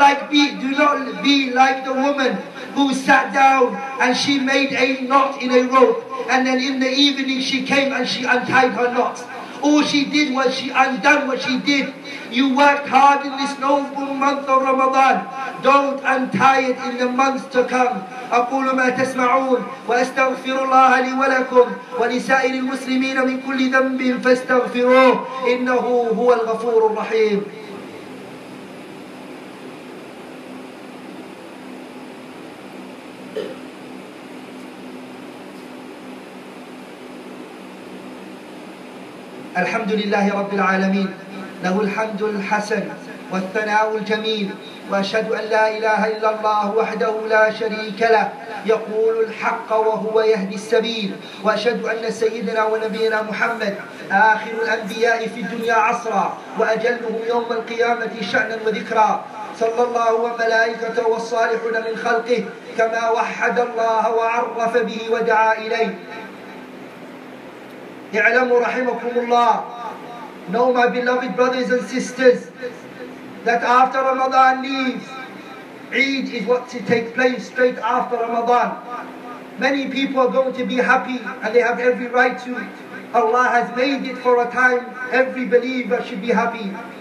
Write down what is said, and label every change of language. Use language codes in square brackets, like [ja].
[en] Do not be like the woman who sat down and she made a knot in a rope, and then in the evening she came and she untied her knot. All she did was she undone what she did. You worked hard in this noble month of Ramadan. Don't untie it in the months to come. [ar] أقول ما تسمعون وأستغفر الله لي ولكم ولسائر المسلمين من كل ذنب فاستغفروه إنه هو الغفور الرحيم. الحمد لله رب العالمين, له الحمد الحسن والثناء الجميل, وأشهد أن لا إله إلا الله وحده لا شريك له, يقول الحق وهو يهدي السبيل, وأشهد أن سيدنا ونبينا محمد آخر الأنبياء في الدنيا عصرا, وأجله يوم القيامة شأنا وذكرا, صلى الله وملائكته والصالحون من خلقه كما وحد الله وعرف به ودعا إليه. اعلموا رحمكم الله [en] Know, my beloved brothers and sisters, that after Ramadan leaves, Eid is what to take place straight after Ramadan. Many people are going to be happy, and they have every right to. Allah has made it for a time every believer should be happy.